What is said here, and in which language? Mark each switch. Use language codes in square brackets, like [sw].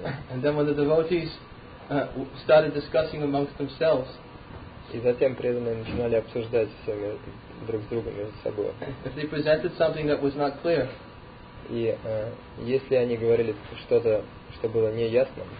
[en] And then when the devotees started discussing amongst themselves, [ru] и затем преданные начинали обсуждать все друг с другом между собой. [en] If they presented something that was not clear, [ru] и если они говорили что-то, что было неясно,